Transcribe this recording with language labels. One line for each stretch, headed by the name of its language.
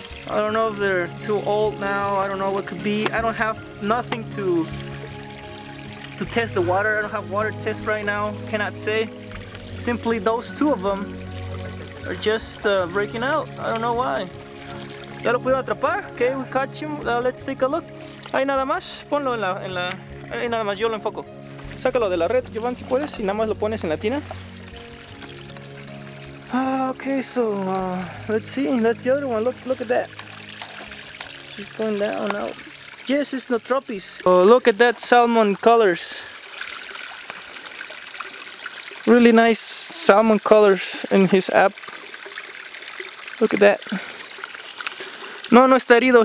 English: I don't know if they're too old now. I don't know what could be. I don't have nothing to test the water. I don't have water test right now. Cannot say. Simply, those two of them are just breaking out. I don't know why.
Spanish: Ya lo pudieron atrapar.
English: Okay, we catch him. Let's take a look.
Spanish: Ahí nada más, ponlo en la, ahí nada más, yo lo enfoco. Sácalo de la red, Jovan, si puedes, y nada más lo pones en la tina.
English: Okay, so, let's see, that's the other one, look at that. She's going down now. Yes, it's Notropis. Oh, look at that salmon colors. Really nice salmon colors in his app. Look at that.
Spanish: No, no está herido.